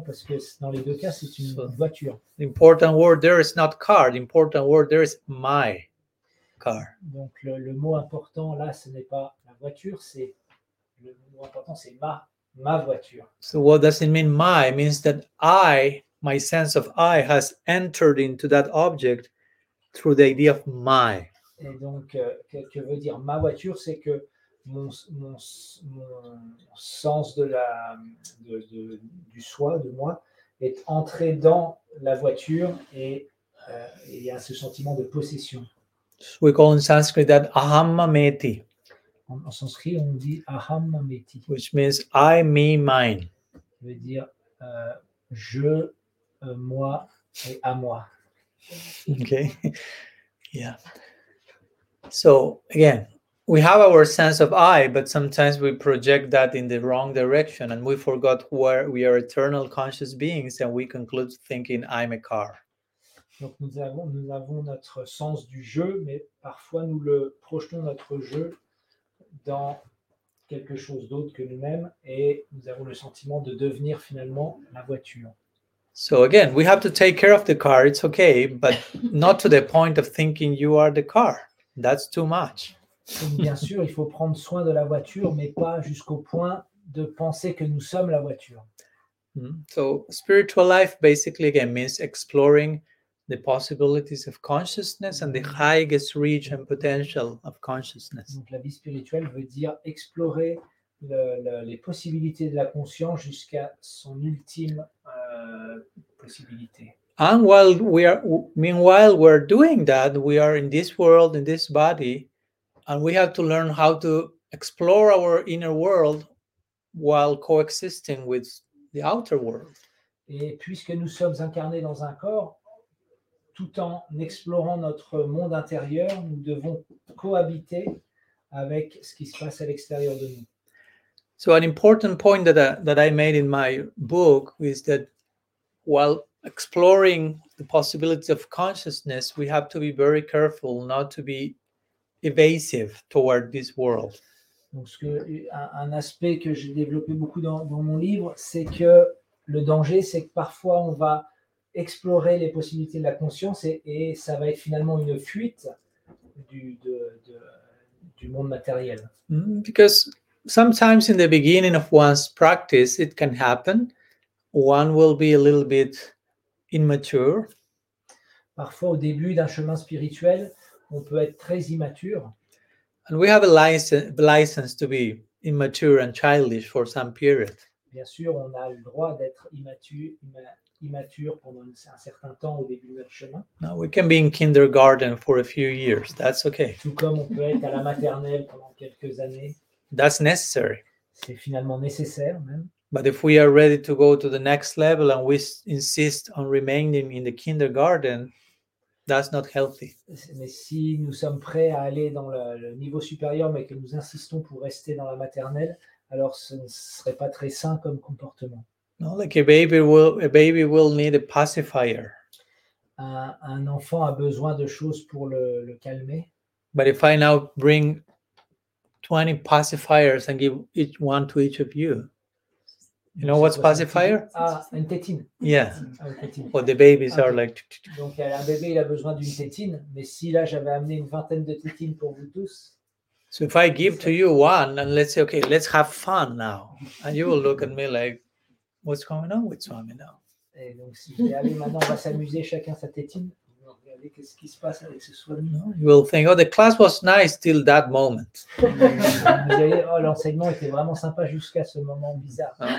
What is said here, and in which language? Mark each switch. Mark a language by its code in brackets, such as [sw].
[fr] Parce que dans les deux cas, c'est une voiture. [en] The important word there is not car. The important word there is my car. [fr] Donc le mot important là, ce n'est pas la voiture, c'est le mot important, c'est ma voiture. [en] So what does it mean? My means that I, my sense of I, has entered into that object through the idea of my. [fr] Et donc, que veut dire ma voiture, c'est que mon sens du soi, de moi, est entré dans la voiture et il y a ce sentiment de possession. [en] We call in Sanskrit that ahammeti. [fr] En sanskrit, on dit aham mameti. [en] Which means I, me, mine. [fr] Ça veut dire je, moi et à moi. [en] Okay. Yeah. So, again, we have our sense of I, but sometimes we project that in the wrong direction and we forgot where we are eternal conscious beings and we conclude thinking I'm a car. [fr] Donc nous avons notre sens du jeu, mais parfois nous le projetons notre jeu dans quelque chose d'autre que nous-mêmes et nous avons le sentiment de devenir finalement la voiture. [en] So again, we have to take care of the car, it's okay, but not to the point of thinking you are the car. That's too much. [fr] Bien sûr, il faut prendre soin de la voiture, mais pas jusqu'au point de penser que nous sommes la voiture. [en] So spiritual life basically again means exploring the possibilities of consciousness and the highest reach and potential of consciousness. [fr] Donc la vie spirituelle veut dire explorer les possibilités de la conscience jusqu'à son ultime possibilité. [en] And while meanwhile we're doing that, we are in this world, in this body, and we have to learn how to explore our inner world while coexisting with the outer world. [fr] Et puisque nous sommes incarnés dans un corps, tout en explorant notre monde intérieur, nous devons cohabiter avec ce qui se passe à l'extérieur de nous. [en] So an important point that I made in my book is that while exploring the possibilities of consciousness, we have to be very careful not to be evasive toward this world. [fr] Donc un aspect que j'ai développé beaucoup dans mon livre, c'est que le danger, c'est que parfois on va explorer les possibilités de la conscience et ça va être finalement une fuite du monde matériel. [en] Because sometimes in the beginning of one's practice, it can happen. One will be a little bit immature. [fr] Parfois au début d'un chemin spirituel, on peut être très immature. [en] And we have a license to be immature and childish for some period. [fr] Bien sûr, on a le droit d'être immature pendant un certain temps au début de notre chemin. [en] Now we can be in kindergarten for a few years. That's okay. [fr] Tout comme on peut être à la maternelle pendant quelques années. [en] That's necessary. [fr] C'est finalement nécessaire même. [en] But if we are ready to go to the next level and we insist on remaining in the kindergarten, that's not healthy. [fr] Mais si nous sommes prêts à aller dans le niveau supérieur, mais que nous insistons pour rester dans la maternelle, alors ce ne serait pas très sain comme comportement. [en] No, like a baby will need a pacifier. [fr] Un enfant a besoin de choses pour le calmer. [en] But if I now bring 20 pacifiers and give each one to each of you. You know what's pacifier? [fr] Ah, une tétine. [en] Yeah. [fr] Tétine. [en] Well, the babies are like. [fr] Donc un bébé il a besoin d'une tétine, mais si là j'avais amené une vingtaine de tétines pour vous tous. [en] So if I give to you one and let's say okay, let's have fun now, and you will look at me like, what's going on with Swami now? [fr] Et donc si je dis allez maintenant on va s'amuser chacun sa tétine, regardez qu'est-ce qui se passe avec ce Swami. [en] You will think, oh, the class was nice till that moment. [fr] Vous allez, oh, l'enseignement était vraiment sympa jusqu'à ce moment bizarre.